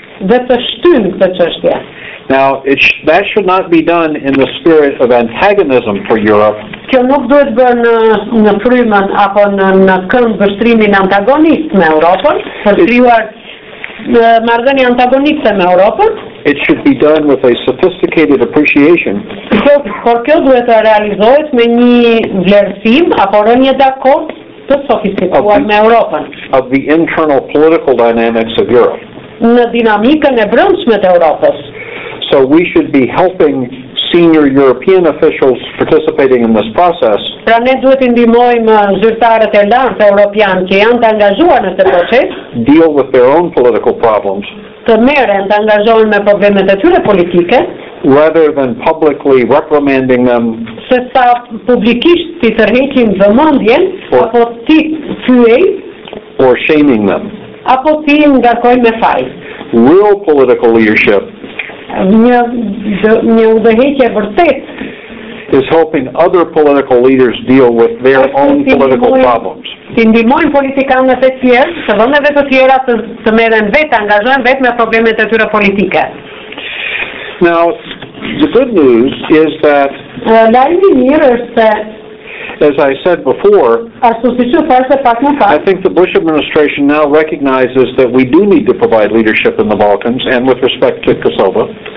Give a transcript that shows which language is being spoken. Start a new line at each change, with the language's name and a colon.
English: Now, that should not be done in the spirit of antagonism for Europe.
Albanian: Kjo nuk duhet bërë në frymën apo në këmbë përshtrimin antagonist me Europën, përshtruar marrëdhënie antagoniste me Europën.
English: It should be done with a sophisticated appreciation.
Albanian: Por kjo duhet të realizohet me një vlerësim apo rënje dakord të sofistikuar me Europën.
English: Of the internal political dynamics of Europe.
Albanian: Në dinamikën e brendshme të Europës.
English: So we should be helping senior European officials participating in this process.
Albanian: Pra ne duhet të ndihmojmë zyrtarët e lartë europian që janë të angazhuar në këtë proces.
English: Deal with their own political problems.
Albanian: Të merren, të angazhohen me problemet e tyre politike.
English: Rather than publicly reprimanding them.
Albanian: Se sa publikisht të tërheqin vëmendjen apo të thyej.
English: Or shaming them.
Albanian: Apo të ngarkojnë me fajin.
English: real political leadership is helping other political leaders deal with their own political problems.
Albanian: Ndihmojnë politikanët e tjerë, të vendeve të tjera të merren vetë, angazhohen vetë me problemet e tyre politike.
English: Now, the good news is that, as I said before, I think the Bush administration now recognizes that we do need to provide leadership in the Balkans and with respect to Kosovo.